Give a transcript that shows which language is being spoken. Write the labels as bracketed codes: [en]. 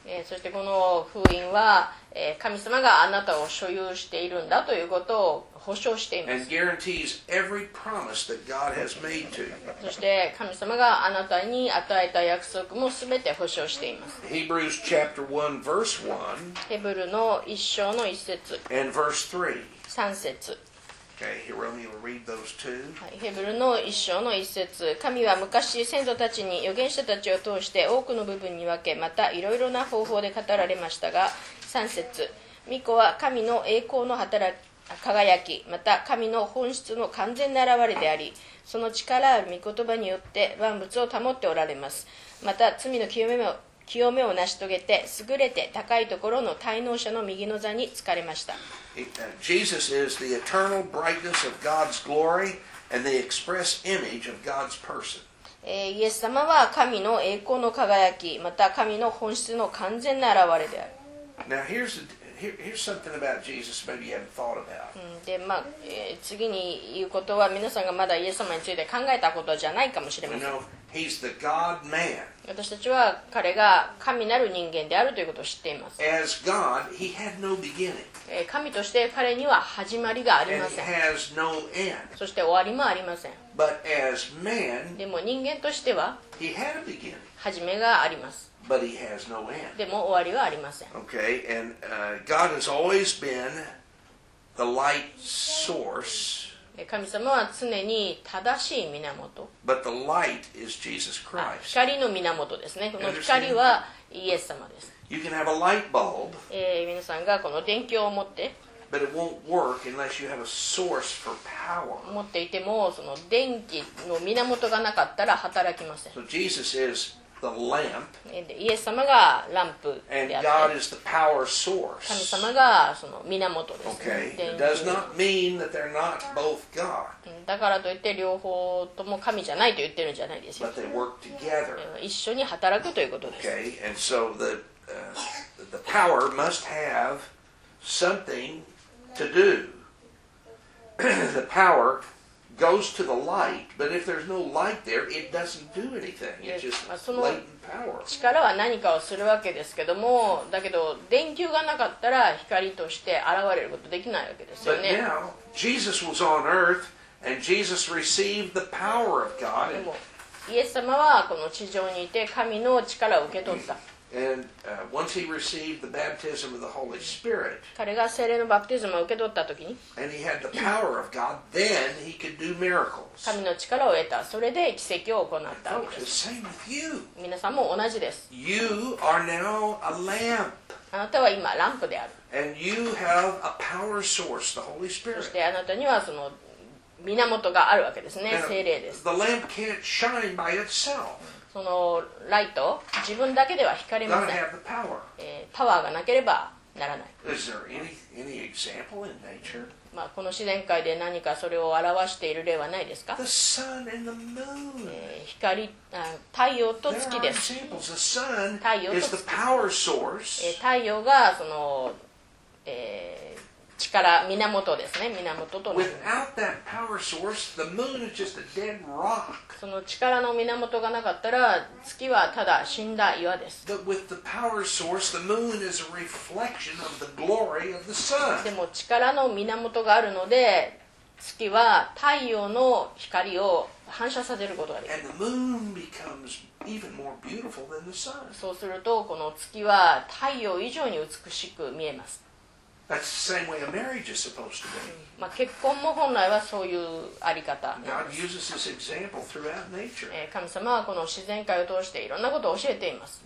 [ja] そしてこの封印は神様があなたを所有しているんだということを保証しています。 [en] And guarantees every promise that God has made to you. [ja] そして神様があなたに与えた約束もすべて保証しています。 [en] Hebrews chapter 1 verse 1 [ja] ヘブルの一章の一節 [en] And verse 3 [ja] 三節。 [en] Okay, Hiromi will read those two. [ja] はい、ヘブルの一章の一節。神は昔先祖たちに預言者たちを通して多くの部分に分け、またいろいろな方法で語られましたが、三節。御子は神の栄光の働き、輝き、また神の本質の完全な現れであり、その力ある御言葉によって万物を保っておられます。また罪の清めを成し遂げて、優れて高いところの大能者の右の座に着かれました。 [en] Jesus is the eternal brightness of God's glory and the express image of God's person. [ja] イエス様は神の栄光の輝き、また神の本質の完全な現れである。 [en] Now here's something about Jesus maybe you haven't thought about. [ja] で、まあ、次に言うことは皆さんがまだイエス様について考えたことじゃないかもしれません。 [en] He's the God-Man. [ja] 私たちは彼が神なる人間であるということを知っています。 [en] As God, he had no beginning. [ja] 神として彼には始まりがありません。 [en] And he has no end. [ja] そして終わりもありません。 [en] But as man, [ja] でも人間としては、 [en] he had a beginning. [ja] 始めがあります。 [en] But he has no end. [ja] でも終わりはありません。 [en] Okay, and God has always been the light source. [ja] 神様は常に正しい源。 But the light is Jesus Christ. 光の源ですね。この光はイエス様です。 [en] You can have a light bulb, [ja] 皆さんがこの電球を持って、 [en] but it won't work unless you have a source for power. [ja] 持っていてもその電気の源がなかったら働きません。 [en] So Jesus is the lamp. [ja] イエス様がランプであって、 [en] and God is the power source. [ja] 神様がその源です、ね。 [en] Okay. It does not mean that they're not both God. [ja] だからといって両方とも神じゃないと言ってるんじゃないですよ。 [en] But they work together. [ja] 一緒に働くということです。 [en] Okay. And so the power must have something to do. The power. Goes to the light, but if there's no light there, it doesn't do anything. It's just latent power. [ja] 力は何かをするわけですけども、だけど電球がなかったら光として現れることできないわけですよね。 [en] But now Jesus was on earth and Jesus received the power of God. [ja] でもイエス様はこの地上にいて神の力を受け取った。 [en] And once he received the baptism of the Holy Spirit, [ja] 彼が聖霊のバプテスマを受け取った時に、 [en] and he had the power of God, then he could do miracles. [ja] 神の力を得た、それで奇跡を行ったわけです。 [en] It's the same with you. [ja] 皆さんも同じです。 [en] You are now a lamp. [ja] あなたは今ランプである。 [en] And you have a power source, the Holy Spirit. [ja] そしてあなたにはその源があるわけですね、聖霊です。 [en] The lamp can't shine by itself. [ja] そのライト、自分だけでは光りません。パワーがなければならない。 [en] Is there any example in nature? [ja] まあ、この自然界で何かそれを表している例はないですか？ [en] The sun and the moon. [ja] 光、太陽と月です。 [en] There are examples. The sun is the power source. [ja] 太陽がその、力、源ですね、源となる。 [en] Without that power source, the moon is just a dead rock. [ja] その力の源がなかったら、月はただ死んだ岩です。 [en] But with the power source, the moon is a reflection of the glory of the sun. [ja] でも力の源があるので、月は太陽の光を反射させることができる。 [en] And the moon becomes even more beautiful than the sun. [ja] そうすると、この月は太陽以上に美しく見えます。 [en] That's the same way a marriage is supposed to be. [ja] まあ結婚も本来はそういうあり方なんです。 [en] God uses this example throughout nature. [ja] 神様はこの自然界を通していろんなことを教えています。